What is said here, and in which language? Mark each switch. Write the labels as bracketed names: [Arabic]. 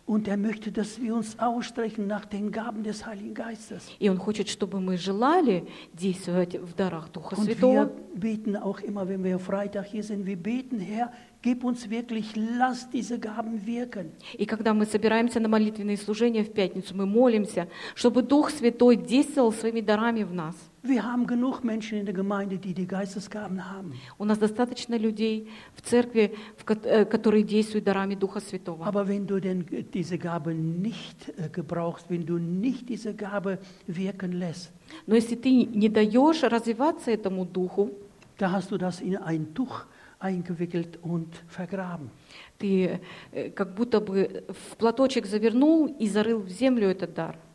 [German] Und möchte, dass wir uns ausstrecken nach den Gaben des Heiligen Geistes. [Russian] И он хочет, чтобы мы желали действовать в дарах Духа Святого. [German] Und wir beten auch immer, wenn wir Freitag hier sind, wir beten, Herr, gib uns wirklich, lass diese Gaben wirken. [Russian] И когда мы собираемся на молитвенные служения в пятницу, мы молимся, чтобы Дух Святой действовал своими дарами в нас. [German] Wir haben genug Menschen in der Gemeinde, die die Geistesgaben haben. [Russian] У нас достаточно людей в церкви, которые действуют дарами Духа Святого. [German] Aber wenn du denn diese Gabe nicht gebrauchst, wenn du nicht diese Gabe wirken lässt, [Russian] но если ты не даешь развиваться этому духу, [German] da hast du das in ein Tuch eingewickelt und vergraben. [Russian] Ты как будто бы в платочек завернул и зарыл в землю этот дар.